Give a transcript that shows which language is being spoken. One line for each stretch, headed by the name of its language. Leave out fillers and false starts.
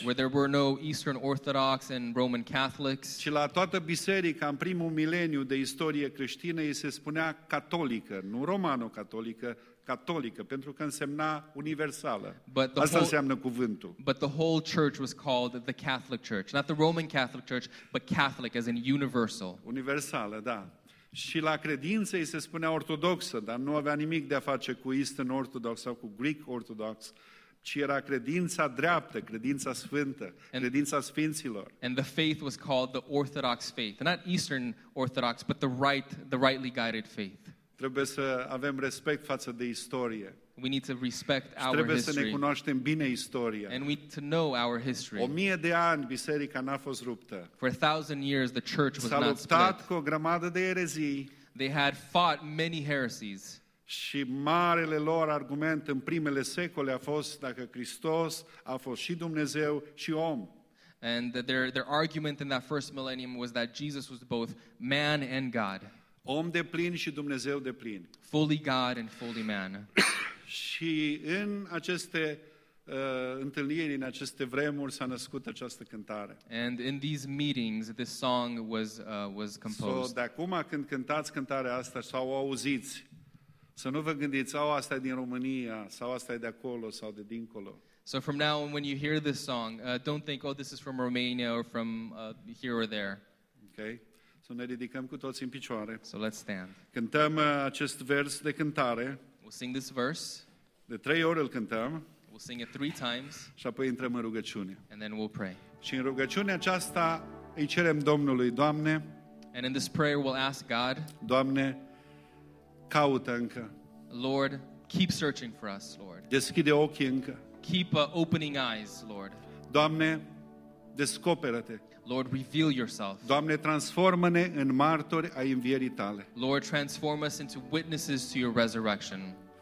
English: Where there were no Eastern Orthodox and Roman Catholics.
Romanian: Și la toată biserica, în primul mileniu de istorie creștină, îi se spunea catolică, nu Romano-Catolică, catolică, pentru că însemna universală. Asta înseamnă cuvântul.
English: But the whole church was called the Catholic Church. Not the Roman Catholic Church, but Catholic, as in universal.
Romanian: Universală, da. Și la credință îi se spunea ortodoxă, dar nu avea nimic de a face cu Eastern Orthodox sau cu Greek Orthodox, ci era credința dreaptă, credința sfântă, credința sfinților.
English: And the faith was called the Orthodox faith, not Eastern Orthodox, but the rightly guided faith.
Romanian: Trebuie să avem respect față de istorie.
English: We need to respect our
Romanian: trebuie
English: history.
Romanian: Să ne cunoaștem bine istoria.
English: And we need to know our history.
Romanian: 1000 de ani biserica n-a fost ruptă.
English: For 1000 years the church was
Romanian: s-a
English: not
Romanian: luptat
English: split.
Romanian: Cu o grămadă de erezii.
English: They had fought many heresies.
Romanian: Și marele lor argument în primele secole a fost dacă Hristos a fost și Dumnezeu și om.
English: And their argument in that first millennium was that Jesus was both man and God.
Romanian: Om de plin și Dumnezeu de plin.
English: Fully God and fully man.
Romanian: Și în aceste întâlniri, în aceste vremuri, s-a născut această cântare.
English: And in these meetings, this song was composed.
Romanian: So, de acum când cântați cântarea asta sau o auziți, să nu vă gândiți, oh, asta e din România, sau asta e de acolo, sau de dincolo.
English: So from now on, when you hear this song, don't think, oh, this is from Romania or from here or there. Okay.
Romanian: Să ne ridicăm cu toți în picioare.
English: So let's stand.
Romanian: Cântăm acest vers de cântare.
English: We'll sing this verse.
Romanian: De trei ori îl cântăm.
English: We'll sing it 3 times.
Romanian: Și apoi intrăm în rugăciune.
English: And then we'll pray.
Romanian: Și în rugăciunea aceasta îi cerem Domnului, Doamne.
English: And in this prayer we'll ask God.
Romanian: Doamne, caută încă.
English: Lord, keep searching for us, Lord.
Romanian: Deschide ochii încă.
English: Keep opening eyes, Lord.
Romanian: Doamne, descoperă-te.
English: Lord, reveal yourself.
Romanian: Doamne, transformă-ne în martori ai învierii tale.
English: Lord, transform us into witnesses to your resurrection.